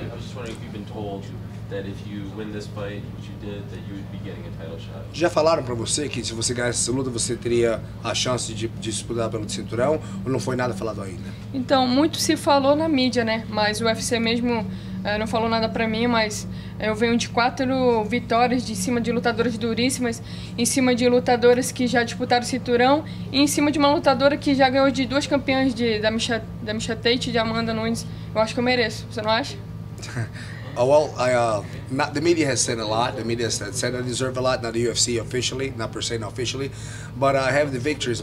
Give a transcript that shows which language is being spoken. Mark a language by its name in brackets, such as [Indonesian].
[English] That if you win this fight, which you did, that you would be getting a title shot. [Portuguese] Já falaram para você que se você ganhasse essa luta, você teria a chance de disputar pelo cinturão, ou não foi nada falado ainda? Então, muito se falou na mídia, né? Mas o UFC mesmo não falou nada para mim, mas eu venho de 4 vitórias de cima de lutadoras duríssimas, em cima de lutadoras que já disputaram o cinturão, e em cima de uma lutadora que já ganhou de 2 campeãs da Misha Tate e de Amanda Nunes. Eu acho que eu mereço, você não acha? [English] The media has said a lot. The media has said I deserve a lot. Not the UFC officially, not per se, not officially, but I have the victories.